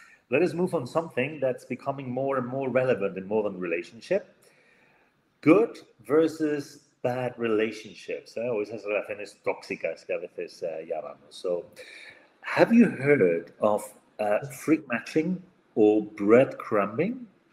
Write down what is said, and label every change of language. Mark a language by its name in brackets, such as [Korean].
[English] Let us move on something that's becoming more and more relevant in modern relationship. Good versus bad relationships. [Spanish] O esas relaciones tóxicas que a veces llamamos. [English] So, have you heard of freak matching or breadcrumbing?